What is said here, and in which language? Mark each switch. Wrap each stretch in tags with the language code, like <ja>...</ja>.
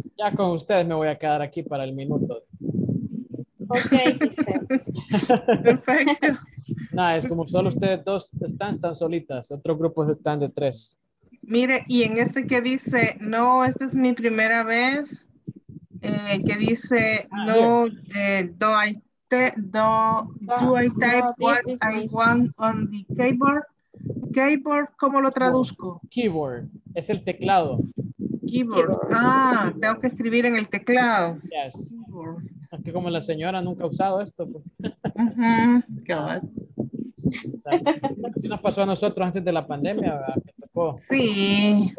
<es>Ya con ustedes me voy a quedar aquí para el minuto. Okay. Perfecto. Nada, es como solo ustedes dos están tan solitas. Otros grupos están de tres. Mire, y en este que dice, no, esta es mi primera vez. Que dice, no,</es> <en>do I type what I want on the keyboard?</en> <es>¿Cómo lo traduzco? Keyboard. Es el teclado. Keyboard. Ah, tengo que escribir en el teclado.</es> <en>Yes. Keyboard.</en> <es>Aunque como la señora nunca ha usado esto. Pues.</es> <en>God.</en> <es>Así nos pasó a nosotros antes de la pandemia, ¿verdad? Me tocó. Sí.</es>